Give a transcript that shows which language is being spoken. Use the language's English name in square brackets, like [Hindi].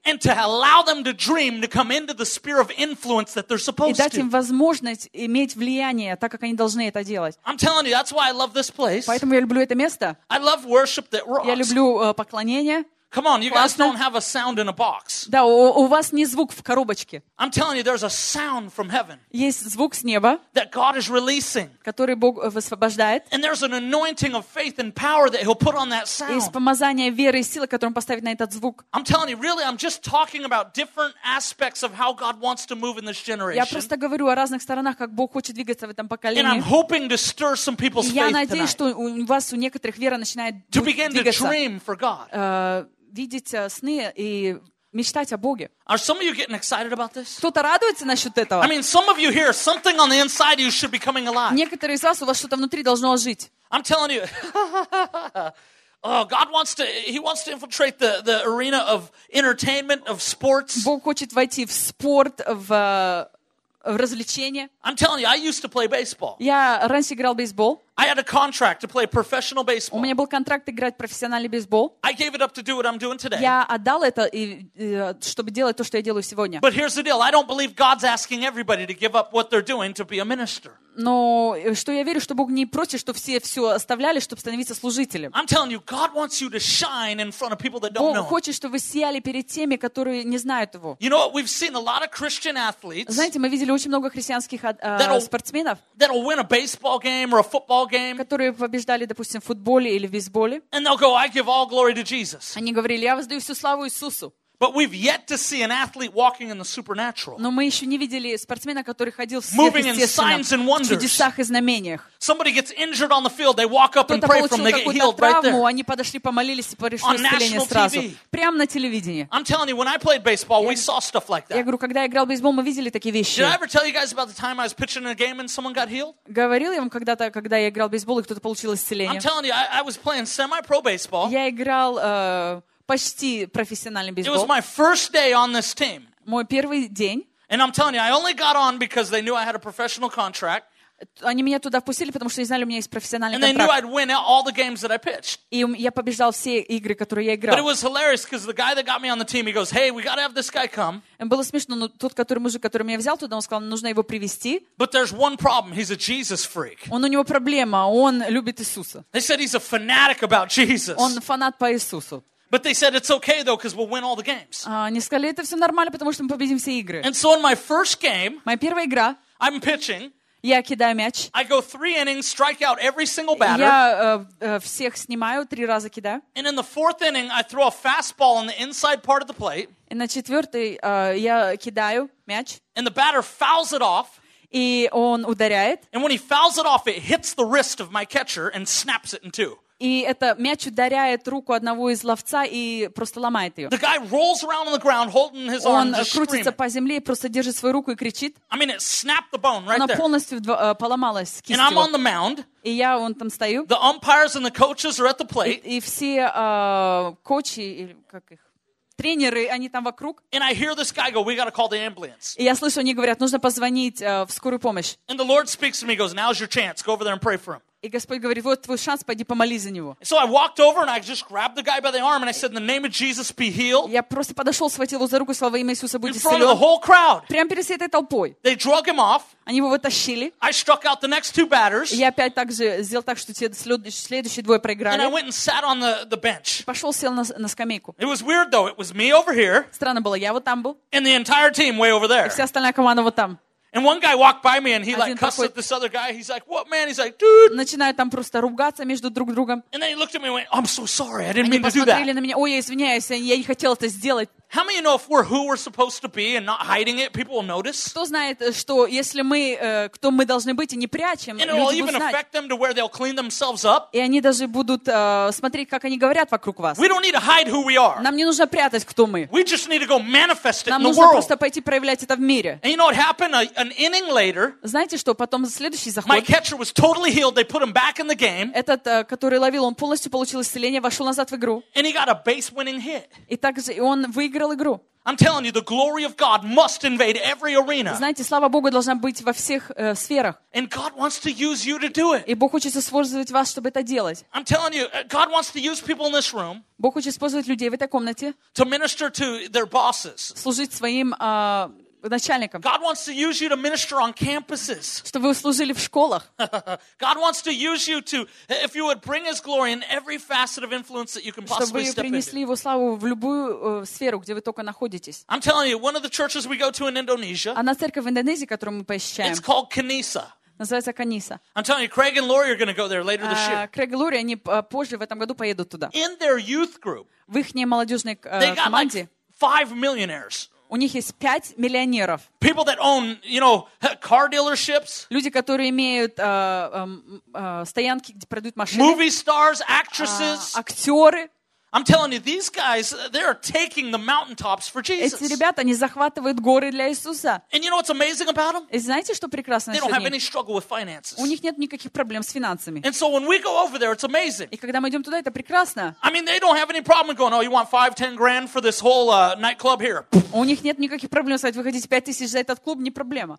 [English] and to allow them to dream to come into the sphere of influence that they're supposed to. [Russian] И дать им возможность иметь влияние, так как они должны это делать. [English] I'm telling you, that's why I love this place. [Russian] Поэтому я люблю это место. [English] I love worship that rocks. [Russian] Я люблю поклонение. [English] Come on, you [Russian] Классно. [English] Guys don't have a sound in a box. [Russian] Да, у вас не звук в коробочке. [English] I'm telling you, there's a sound from heaven. [Russian] Есть звук с неба. [English] That God is releasing. [Russian] Который Бог высвобождает. [English] And there's an anointing of faith and power that He'll put on that sound. [Russian] Есть помазание веры и силы, которое Он поставит на этот звук. [English] I'm telling you, really, I'm just talking about different aspects of how God wants to move in this generation. [Russian] Я просто говорю о разных сторонах, как Бог хочет двигаться в этом поколении. [English] And I'm hoping to stir some people's faith tonight. [Russian] Я надеюсь, что у вас у некоторых вера начинает двигаться. [English] To begin to dream for God. [Russian] Видеть сны и мечтать о Боге. [English] Are some of you getting excited about this? [Russian] Кто-то радуется насчет этого? [English] I mean, some of you here, something on the inside of you should be coming alive. [Russian] Некоторые из вас, у вас что-то внутри должно ожить. [English] I'm telling you. Oh, God wants to, He wants to infiltrate the arena of entertainment, of sports. [Russian] Бог хочет войти в спорт, в развлечения. [English] I'm telling you, I used to play baseball. [Russian] Я раньше играл в бейсбол. [English] I had a contract to play professional baseball. [Russian] У меня был контракт играть профессиональный бейсбол. [English] I gave it up to do what I'm doing today. [Russian] Я отдал это, чтобы делать то, что я делаю сегодня. [English] But here's the deal. I don't believe God's asking everybody to give up what they're doing to be a minister. [Russian] Но что я верю, что Бог не просит, чтобы все оставляли, чтобы становиться служителем. [English] I'm telling you, God wants you to shine in front of people that don't [Russian] Бог [English] know. [Russian] Бог хочет, чтобы вы сияли перед теми, которые не знают его. [English] You know what? We've seen a lot of Christian athletes. [Russian] Знаете, мы видели очень много христианских спортсменов. [English] That'll win a baseball game or a football game. [Russian] Которые побеждали, допустим, в футболе или в бейсболе. [English] And they'll go, I give all glory to Jesus. [Russian] Они говорили, я воздаю всю славу Иисусу. [English] But we've yet to see an athlete walking in the supernatural. [Russian] Но мы еще не видели спортсмена, который ходил в сверхъестественном, в чудесах и знамениях. [English] Somebody gets injured on the field, they walk up and pray for them, they get healed right there. [Russian] Они подошли, помолились и пришли исцеление сразу. Прямо на телевидении. [English] I'm telling you, when I played baseball, we saw stuff like that. [Russian] Я говорю, когда я играл в бейсбол, мы видели такие вещи. [English] Did I ever tell you guys about the time I was pitching in a game and someone got healed? [Russian] Говорил я вам когда-то, когда я играл в бейсбол и кто-то получил исцеление? [English] I'm telling you, I was playing semi-pro baseball. [Russian] Я играл почти профессиональный бейсбол. [English] It was my first day on this team. [Russian] Мой первый день. [English] And I'm telling you, I only got on because they knew I had a professional contract. [Russian] Они меня туда впустили, потому что они знали, у меня есть профессиональный контракт. [English] And they knew I'd win all the games that I pitched. [Russian] И я побеждал все игры, которые я играл. [English] But it was hilarious because the guy that got me on the team, he goes, "Hey, we got to have this guy come." [Russian] Было смешно, но тот, который мужик, который меня взял туда, он сказал, нужно его привести. [English] But there's one problem. He's a Jesus freak. [Russian] Он у него проблема. Он любит Иисуса. [English] They said he's a fanatic about Jesus. [Russian] Он фанат по Иисусу. [English] But they said it's okay though, because we'll win all the games. [Russian] Они сказали, это все нормально, потому что мы победим все игры. [English] And so in my first game, [Russian] моя первая игра, [English] I'm pitching. [Russian] Я кидаю мяч. [English] I go 3 innings, strike out every single batter. [Russian] Я всех снимаю, 3 раза кидаю. [English] And in the 4th inning, I throw a fastball on the inside part of the plate. [Russian] И на четвертой я кидаю мяч. [English] And the batter fouls it off. [Russian] И он ударяет. [English] And when he fouls it off, it hits the wrist of my catcher and snaps it in two. [Russian] И это мяч ударяет руку одного из ловца и просто ломает ее. [English] The guy rolls around on the ground, holding his arm, [Russian] он крутится по земле и просто держит свою руку и кричит. [English] I mean, it snapped the bone right [Russian] она [English] there. [Russian] Полностью поломалась кистью. [English] And I'm on the mound. [Russian] И я вон там стою. [English] The umpires and the coaches are at the plate. [Russian] И все коучи, как их, тренеры, они там вокруг. [English] And I hear this guy go, "We gotta call the ambulance." [Russian] И я слышу, они говорят, нужно позвонить в скорую помощь. [English] And the Lord speaks to me, goes, "Now's your chance. Go over there and pray for him." [Russian] И Господь говорит, вот твой шанс, пойди помолись за него. [English] So I walked over and I just grabbed the guy by the arm and I said, in the name of Jesus, be healed. [Russian] Я просто подошел, схватил его за руку, сказал, во имя Иисуса, будь исцелен. [English] In front of the whole crowd. [Russian] Прямо перед всей этой толпой. [English] They drug him off. [Russian] Они его вытащили. [English] I struck out the next two batters. [Russian] Я опять так же сделал так, что те следующие двое проиграли. [English] And I went and sat on the bench. [Russian] Пошел, сел на скамейку. [English] It was weird though, it was me over here. [Russian] Странно было, я вот там был. [English] And the entire team way over there. [Russian] И вся остальная команда вот там. [English] And one guy walked by me, and he like cussed at this other guy. He's like, "What, man?" He's like, "Dude." [Russian] Начинают там просто ругаться между друг другом. [English] And then he looked at me and went, "I'm so sorry. I didn't mean to do that." [Russian] Они посмотрели на меня. Ой, я извиняюсь, я не хотел это сделать. [English] How many know if we're who we're supposed to be and not hiding it, people will notice? [Russian] Кто знает, что если мы кто мы должны быть и не прячем, люди будут знать. [English] And it'll even affect them to where they'll clean themselves up. [Russian] И они даже будут смотреть, как они говорят вокруг вас. [English] We don't need to hide who we are. [Russian] Нам не нужно прятать, кто мы. [English] We just need to go manifest it in the world. [Russian] Нам нужно просто пойти проявлять это в мире. [English] And you know what happened? An inning later. [Russian] Знаете что? Потом следующий заход. [English] My catcher was totally healed. They put him back in the game. [Russian] Этот, который ловил, он полностью получил исцеление, вошел назад в игру. [English] And he got a base-winning hit. [Russian] И также он выиграл. [English] I'm telling you, the glory of God must invade every arena. [Russian] Знаете, слава Богу должна быть во всех сферах. [English] And God wants to use you to do it. [Russian] И Бог хочет использовать вас, чтобы это делать. [English] I'm telling you, God wants to use people in this room. [Russian] Бог хочет использовать людей в этой комнате. [English] To minister to their bosses. [Russian] Служить своим начальникам. [English] God wants to use you to minister on campuses. [Russian] Чтобы вы служили в школах. [English] God wants to use you to, if you would bring His glory in every facet of influence that you can possibly step into. [Russian] Чтобы вы принесли Его славу в любую сферу, где вы только находитесь. [English] I'm telling you, one of the churches we go to in Indonesia. [Russian] Одна церковь в Индонезии, которую мы посещаем. [English] It's called Kanisa. [Russian] Называется Каниса. [English] I'm telling you, Craig and Lori are going to go there later this year. [Russian] Craig и Лори, они позже в этом году поедут туда. [English] In their youth group. [Russian] В их молодежной команде. [English] They got like 5 millionaires. [Russian] У них есть 5 миллионеров. [English] People that own, you know, car dealerships. [Russian] Люди, которые имеют стоянки, где продают машины. [English] Movie stars, actresses. [Russian] Актеры. [English] I'm telling you, these guys, they're taking the mountaintops for Jesus. [Russian] Эти ребята, они захватывают горы для Иисуса. [English] And you know what's amazing about them? [Russian] И знаете, что прекрасно? [English] They don't have any struggle with finances. [Russian] У них нет никаких проблем с финансами. [English] And so when we go over there, it's amazing. [Russian] И когда мы идем туда, это прекрасно. [English] I mean, they don't have any problem going, "Oh, you want 5-10 grand for this whole nightclub here?" [Russian] У них нет никаких проблем сказать, вы хотите 5000 за этот клуб, не проблема.